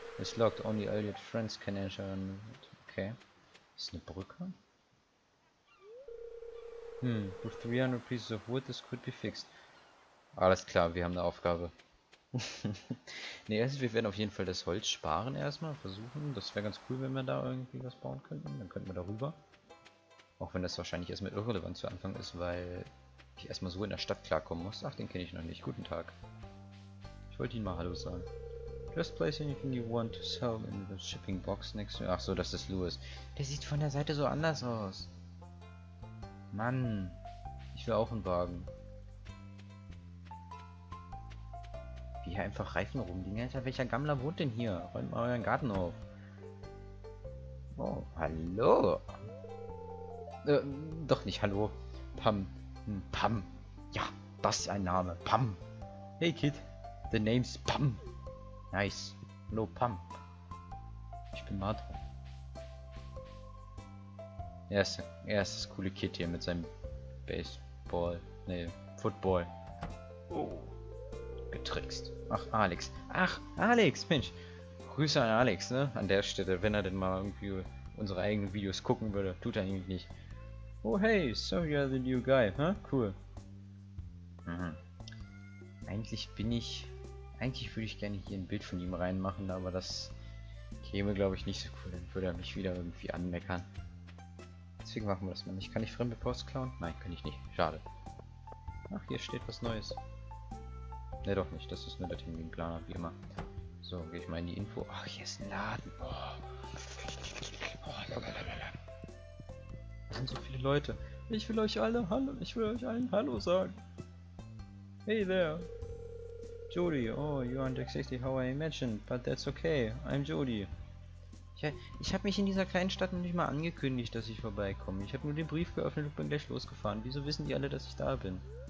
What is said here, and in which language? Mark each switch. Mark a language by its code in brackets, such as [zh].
[en] It's locked, only all your friends can enter. Okay. [de] Ist eine Brücke? [en] With 300 pieces of wood, this could be fixed. [de] Alles klar, wir haben eine Aufgabe. Ne, also wir werden auf jeden Fall das Holz sparen erstmal, versuchen. Das wäre ganz cool, wenn wir da irgendwie was bauen könnten. Dann könnten wir darüber. Auch wenn das wahrscheinlich erstmal irrelevant zu Anfang ist, weil ich erstmal so in der Stadt klarkommen muss. Ach, den kenne ich noch nicht. Guten Tag. Ich wollte Ihnen mal Hallo sagen. [en] Just place anything you want to sell in the shipping box next to... [de] Ach so, das ist Louis. Der sieht von der Seite so anders aus. Mann, ich will auch einen Wagen. Wie hier einfach Reifen rumliegen. Alter, welcher Gammler wohnt denn hier? Räumt mal euren Garten auf. Oh, hallo. Doch nicht hallo. Pam. Pam. Ja, das ist ein Name. Pam. [en] Hey Kid. The name's Pam. [de] Nice. Hallo, Pam. Ich bin Martha. Er ist das coole Kid hier mit seinem Baseball. Nee, Football. Oh. Getrickst. Ach, Alex. Ach, Alex, Mensch. Grüße an Alex, ne? An der Stelle, wenn er denn mal irgendwie unsere eigenen Videos gucken würde. Tut er eigentlich nicht. [en] Oh, hey, so you're the new guy, huh? Cool. [de] Eigentlich würde ich gerne hier ein Bild von ihm reinmachen, aber das käme, glaube ich, nicht so cool. Dann würde er mich wieder irgendwie anmeckern. Deswegen machen wir das mal nicht. Kann ich fremde Post klauen? Nein, kann ich nicht. Schade. Ach, hier steht was Neues. Ne, doch nicht. Das ist nur der Terminplaner, wie immer. So, geh ich mal in die Info. Ach, hier ist ein Laden. Da sind so viele Leute. Ich will euch alle Hallo. Ich will euch allen Hallo sagen. [en] Hey there. Jody, oh, you aren't exactly how I imagined, but that's okay. I'm Jody. [de] Ich habe mich in dieser kleinen Stadt noch nicht mal angekündigt, dass ich vorbeikomme. Ich habe nur den Brief geöffnet und bin gleich losgefahren. Wieso wissen die alle, dass ich da bin?